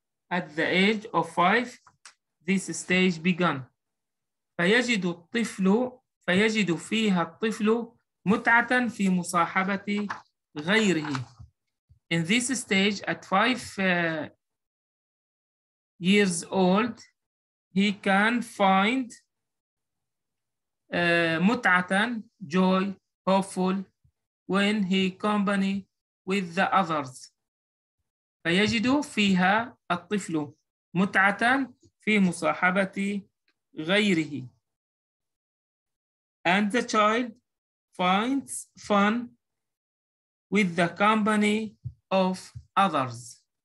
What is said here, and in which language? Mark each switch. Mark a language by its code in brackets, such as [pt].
[en] At the age of 5, this stage began. [ar] فيجد الطفل فيجد فيها الطفل متعة في مصاحبة غيره. [en] In this stage, at 5 years old, he can find متعة, joy, hopeful, when he company with the others. [ar] فيجد فيها الطفل متعة في مصاحبة غيره. [en] And the child finds fun with the company of others.